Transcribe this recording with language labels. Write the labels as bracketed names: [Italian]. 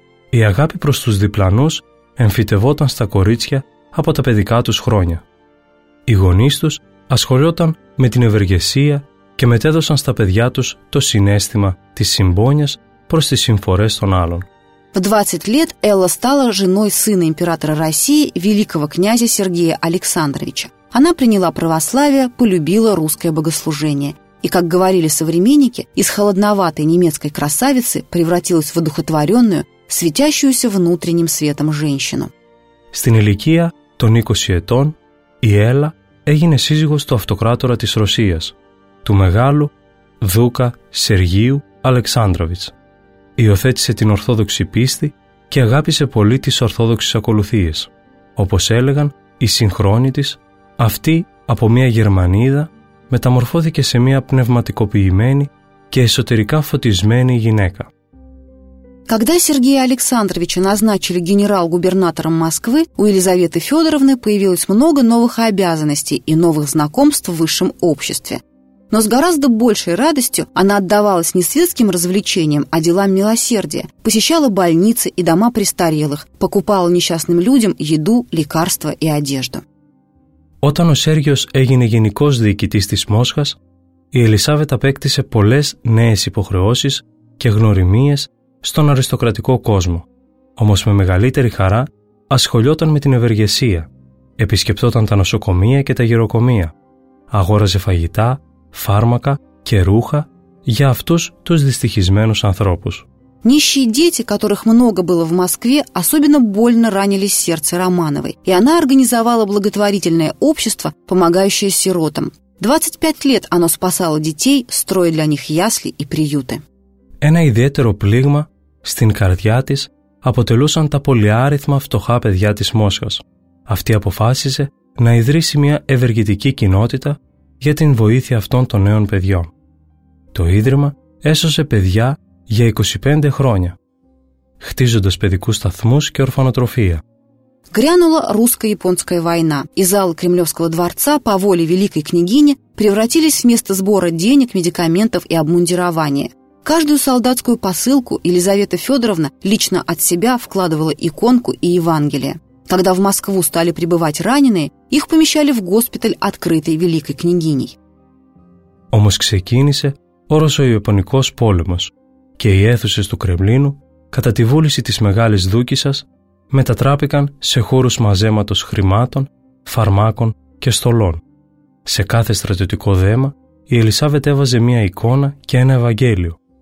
[Greek] Η αγάπη προς τους διπλανούς εμφυτευόταν στα κορίτσια από τα παιδικά τους χρόνια. Οι γονείς τους ασχολιόταν με την ευεργεσία και μετέδωσαν στα παιδιά τους το συνέστημα της συμπόνιας προς τις συμφορές των άλλων. [Russian] В 20 лет Элла стала женой сына императора России, великого князя Сергея Александровича. Она приняла православие, полюбила русское богослужение. И, как говорили современники, из холодноватой немецкой красавицы превратилась в одухотворенную, светящуюся внутренним светом женщину. [Greek] Στην ηλικία των 20 ετών, η Έλλα έγινε σύζυγος του αυτοκράτορα της Ρωσίας, του μεγάλου δούκα Σεργίου Αλεξάνδροβιτς. Υιοθέτησε την ορθόδοξη πίστη και αγάπησε πολύ τις ορθόδοξες ακολουθίες. Όπως έλεγαν οι συγχρόνοι της, αυτή από μια Γερμανίδα μεταμορφώθηκε σε μια πνευματικοποιημένη και εσωτερικά φωτισμένη γυναίκα. [Russian] Когда Сергея Александровича назначили генерал-губернатором Москвы, у Елизаветы Федоровны появилось много новых обязанностей и новых знакомств в высшем обществе. Но с гораздо большей радостью она отдавалась не светским развлечениям, а делам милосердия, посещала больницы и дома престарелых, покупала несчастным людям еду, лекарства и одежду. [Greek] Όταν ο Σέργιος έγινε γενικός διοικητής της Μόσχας, η Ελισάβετ απέκτησε πολλές νέες υποχρεώσεις και γνωριμίες στον αριστοκρατικό κόσμο. Όμως με μεγαλύτερη χαρά ασχολιόταν με την ευεργεσία. Επισκεπτόταν τα νοσοκομεία και τα γεροκομεία. Αγόραζε φαγητά, φάρμακα και ρούχα για αυτούς τους δυστυχισμένους ανθρώπους. [Russian] Нищие дети, которых много было в Москве, особенно больно ранили сердце Романовой, и она организовала благотворительное общество, помогающее сиротам. 25 лет оно спасало детей, строя для них ясли и приюты. [Greek] Ένα ιδιαίτερο πλήγμα στην καρδιά της αποτελούσαν τα πολυάριθμα φτωχά παιδιά της Μόσχας. Αυτή αποφάσισε να ιδρύσει μια ευεργετική κοινότητα για την βοήθεια αυτών των νέων παιδιών. Το ίδρυμα έσωσε παιδιά για 25 χρόνια, χτίζοντας παιδικούς σταθμούς και ορφανοτροφία. [Russian] Грянула русско-японская война, и залы Кремлевского дворца по воле великой княгини превратились в место сбора денег, медикаментов и обмундирования. Каждую солдатскую посылку Елизавета Федоровна лично от себя вкладывала иконку и Евангелие. Когда в Москву стали прибывать раненые, их помещали в госпиталь, открытый великой княгиней. [Greek] Όμως ξεκίνησε ο Ρωσο-Ιαπωνικός πόλεμος και οι αίθουσες του Κρεμλίνου, κατά τη βούληση της μεγάλης δούκισσας, μετατράπηκαν σε χώρους μαζέματος χρημάτων, φαρμάκων και στολών. Σε κάθε στρατιωτικό δέμα, η Ελισάβετ έβαζε μία εικόνα και ένα Ευαγγέλιο.